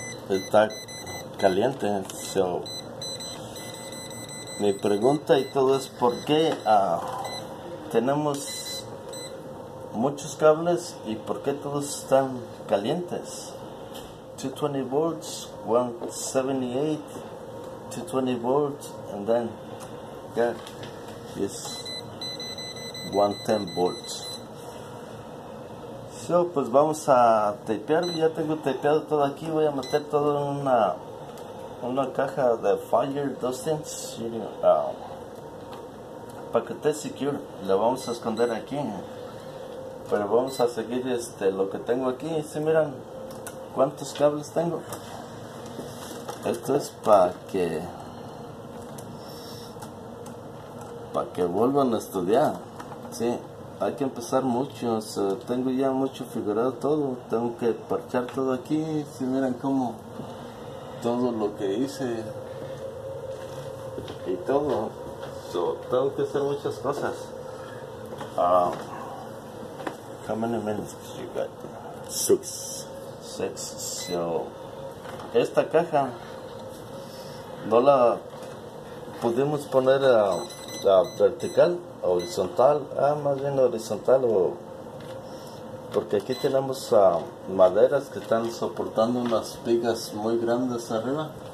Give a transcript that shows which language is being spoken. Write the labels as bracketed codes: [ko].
[es] Está caliente, so. Mi pregunta y todo es por qué tenemos muchos cables y por qué todos están calientes. [en] 220 volts, 178, 220 volts, and then, yeah, yes, 110 volts. [es] So, pues vamos a tapear, ya tengo tapeado todo aquí, voy a meter todo en una caja de fire dustings, paquete secure, lo vamos a esconder aquí, pero vamos a seguir lo que tengo aquí. Si miran cuántos cables tengo, esto es para que vuelvan a estudiar, sí. Hay que empezar mucho, tengo ya mucho figurado todo, tengo que parchar todo aquí, si miran cómo todo lo que hice y todo, tengo que hacer muchas cosas. [en] How many minutes you got? Six. [es] So, esta caja no la pudimos poner a vertical, horizontal, más bien horizontal, porque aquí tenemos maderas que están soportando unas vigas muy grandes arriba.